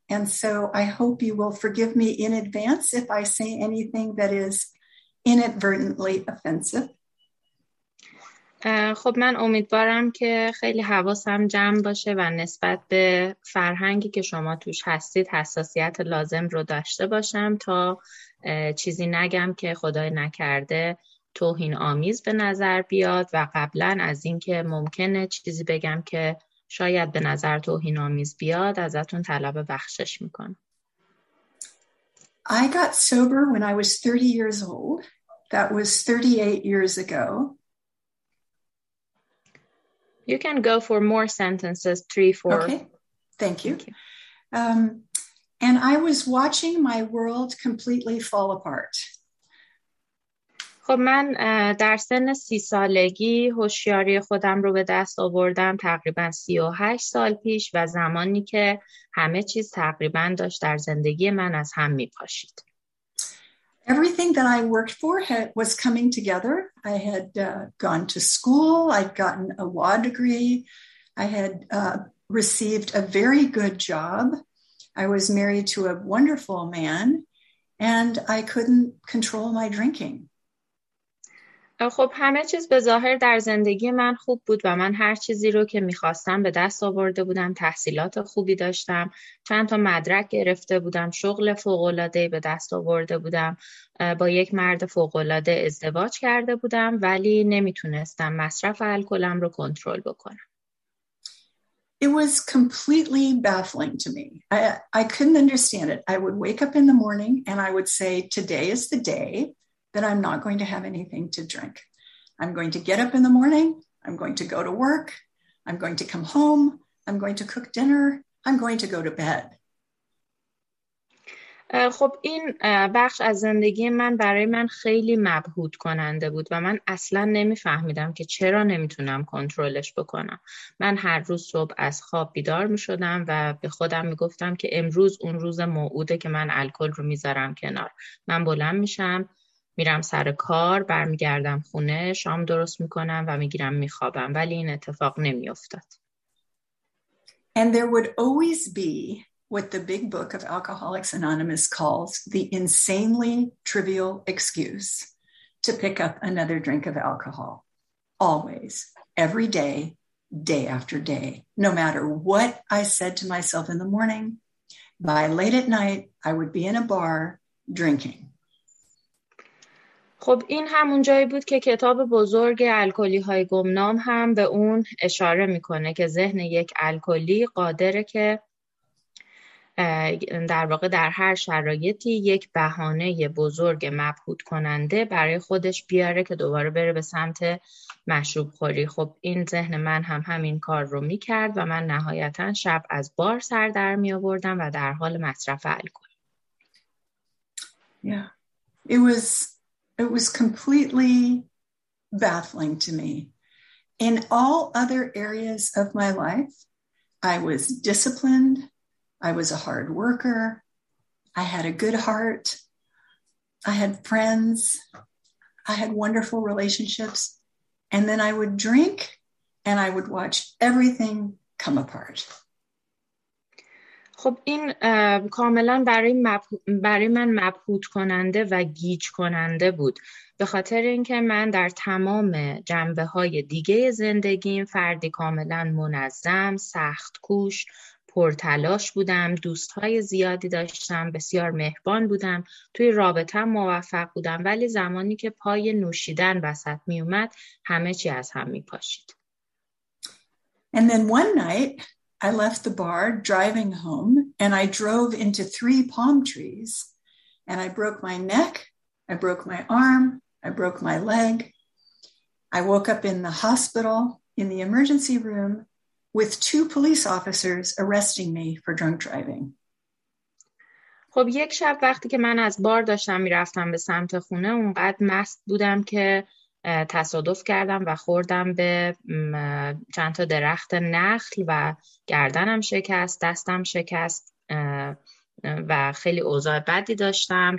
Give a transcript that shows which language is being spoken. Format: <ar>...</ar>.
<en>And so I hope you will forgive me in advance if I say anything that is inadvertently offensive.</en> <fa>خب من امیدوارم که خیلی حواسم جمع باشه و نسبت به فرهنگی که شما توش هستید حساسیت لازم رو داشته باشم تا چیزی نگم که خدای نکرده توهین آمیز به نظر بیاد و قبلا از اینکه ممکنه چیزی بگم که شاید به نظر توهین آمیز بیاد ازتون طلب بخشش میکنم.</fa> <en>I got sober when I was 30 years old. That was 38 years ago. You can go for more sentences, three, four. Okay, thank you. And I was watching my world completely fall apart.</en> <fa>خب من در سن 30 سالگی هوشیاری خودم رو به دست آوردم تقریبا 38 سال پیش و زمانی که همه چیز تقریبا داشت در زندگی من از هم می پاشید.</fa> <en>Everything that I worked for had, was coming together. I had gone to school. I'd gotten a law degree. I had received a very good job. I was married to a wonderful man. And I couldn't control my drinking.</en> <fa>خب همه چیز به ظاهر در زندگی من خوب بود و من هر چیزی رو که میخواستم به دست آورده بودم، تحصیلات خوبی داشتم، چند تا مدرک گرفته بودم، شغل فوق‌العاده‌ای به دست آورده بودم، با یک مرد فوق‌العاده ازدواج کرده بودم، ولی نمیتونستم مصرف الکلم رو کنترل بکنم.</fa> <en>It was completely baffling to me. I couldn't understand it. I would wake up in the morning and I would say, today is the day that I'm not going to have anything to drink. I'm going to get up in the morning, I'm going to go to work, I'm going to come home, I'm going to cook dinner, I'm going to go to bed.</en> <fa>خب این بخش از زندگی من برای من خیلی مبهوت کننده بود و من اصلا نمیفهمیدم که چرا نمیتونم کنترلش بکنم. من هر روز صبح از خواب بیدار میشدم و به خودم میگفتم که امروز اون روز موعوده که من الکل رو میذارم کنار. من بلند میشم، میرم سر کار، برمیگردم خونه، شام درست میکنم و میگیرم میخوابم، ولی این اتفاق نمیافتاد.</fa> <en>And there would always be what the big book of Alcoholics Anonymous calls the insanely trivial excuse to pick up another drink of alcohol. Always, every day, day after day, no matter what I said to myself in the morning, by late at night I would be in a bar drinking.</en> <fa>خب این همون جایی بود که کتاب بزرگ الکلی های گمنام هم به اون اشاره میکنه که ذهن یک الکلی قادره که در واقع در هر شرایطی یک بهانه بزرگ مبهوت کننده برای خودش بیاره که دوباره بره به سمت مشروب خوری. خب این ذهن من هم همین کار رو میکرد و من نهایتا شب از بار سر در میآوردم و در حال مصرف الکل.</fa> <en>Yeah. It was completely baffling to me. In all other areas of my life, I was disciplined. I was a hard worker. I had a good heart. I had friends. I had wonderful relationships. And then I would drink and I would watch everything come apart.</en> <fa>خب این کاملا برای من مبهوت کننده و گیج کننده بود، به خاطر اینکه من در تمام جنبه های دیگه زندگیم فردی کاملا منظم، سخت کوش، پرتلاش بودم، دوستهای زیادی داشتم، بسیار مهربان بودم، توی رابطه موفق بودم، ولی زمانی که پای نوشیدن وسط می اومد همه چی از هم می پاشید.</fa> <en>And then one night, I left the bar driving home, and I drove into 3 palm trees, and I broke my neck, I broke my arm, I broke my leg. I woke up in the hospital, in the emergency room, with 2 police officers arresting me for drunk driving.</en> <fa>خب یک شب وقتی که من از بار داشتم میرفتم به سمت خونه، اونقدر مست بودم که تصادف کردم و خوردم به چند تا درخت نخل و گردنم شکست، دستم شکست و خیلی اوضاع بدی داشتم.</fa>